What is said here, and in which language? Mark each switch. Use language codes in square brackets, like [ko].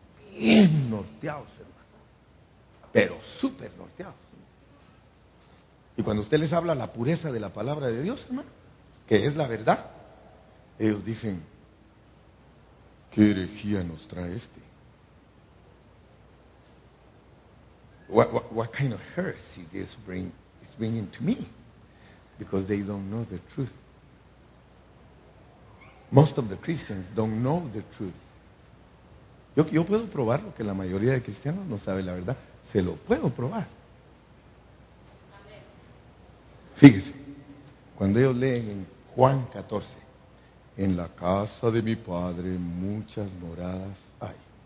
[es] Bien norteados, hermano. Pero súper norteados. Y cuando usted les habla la pureza de la palabra de Dios, hermano, que es la verdad, ellos dicen: ¿qué herejía nos trae este? [en] What kind of heresy this bring is bringing to me? Because they don't know the truth. Most of the Christians don't know the truth. [es] Yo puedo probarlo, que la mayoría de cristianos no sabe la verdad. Se lo puedo probar. Fíjese, cuando ellos leen en Juan 14, en la casa de mi padre muchas moradas hay.